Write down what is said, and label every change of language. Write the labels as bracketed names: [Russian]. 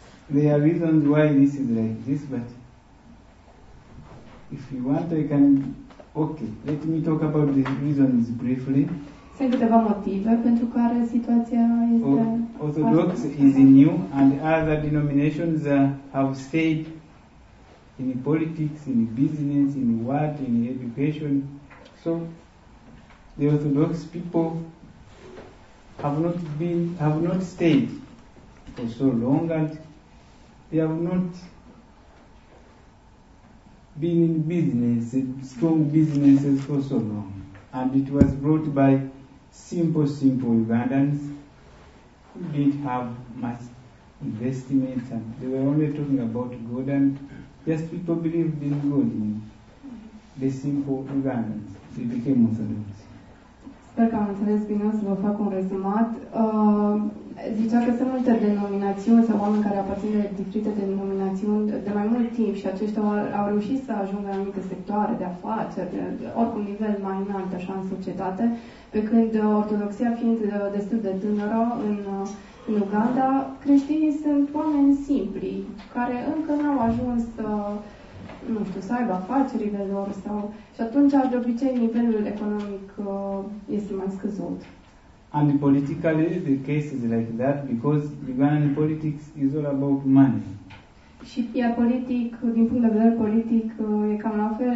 [English] There are reasons why this is like this, but if you want, I can... Okay, let me talk about the reasons briefly. [Romanian] Sunt câteva motive pentru care situația este... [English] Orthodox is new and other denominations have stayed in politics, in business, in work, in education. So, the Orthodox people have not stayed for so long, and they have not been in business, strong businesses for so long. And it was brought by simple Ugandans who didn't have much investment, and they were only talking about God, and just people believed in God. The simple Ugandans, they became Orthodox. [Romanian] Sper că am înțeles bine, să vă fac un rezumat. Zicea că sunt multe denominațiuni sau oameni care aparțin de diferite denominațiuni de mai mult timp și aceștia au reușit să ajungă în anumite sectoare de afaceri, de oricum nivel mai înalt așa în societate, pe când ortodoxia fiind destul de tânără în Uganda, creștinii sunt oameni simpli care încă n-au ajuns să... nu știu, să aibă afacerile lor sau... Și atunci, de obicei, nivelul economic este mai scăzut. [English] And politically, the case is like that because Ugandan politics is all about money. [Romanian] Și iar politic, din punct de vedere politic, e cam la fel.